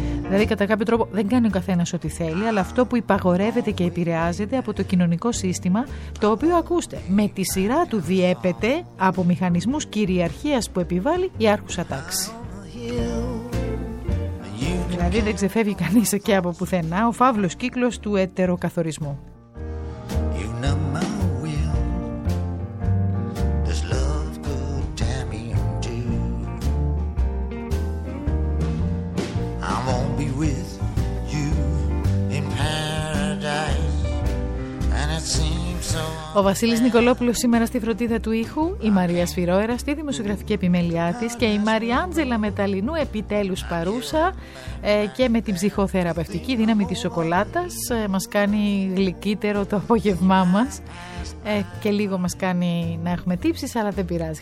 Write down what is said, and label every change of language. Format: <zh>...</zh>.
<el>Δηλαδή, κατά κάποιο τρόπο, δεν κάνει ο καθένας ό,τι θέλει, αλλά αυτό που υπαγορεύεται και επηρεάζεται από το κοινωνικό σύστημα, το οποίο, ακούστε, με τη σειρά του διέπεται από μηχανισμούς κυριαρχίας που επιβάλλει η άρχουσα τάξη. Δηλαδή δεν ξεφεύγει κανείς και από πουθενά, ο φαύλος κύκλος του ετεροκαθορισμού.</el> <en>You know my will. This love could tear me in two. I won't be with you in paradise. And it seems so.</en> <el>Ο Βασίλης Νικολόπουλος σήμερα στη φροντίδα του ήχου, η Μαρία Σφυρόερα στη δημοσιογραφική επιμέλειά της και η Μαρία Άντζελα Μεταλινού επιτέλους παρούσα και με την ψυχοθεραπευτική δύναμη της σοκολάτας μας κάνει γλυκύτερο το απόγευμά μας και λίγο μας κάνει να έχουμε τύψεις, αλλά δεν πειράζει.</el>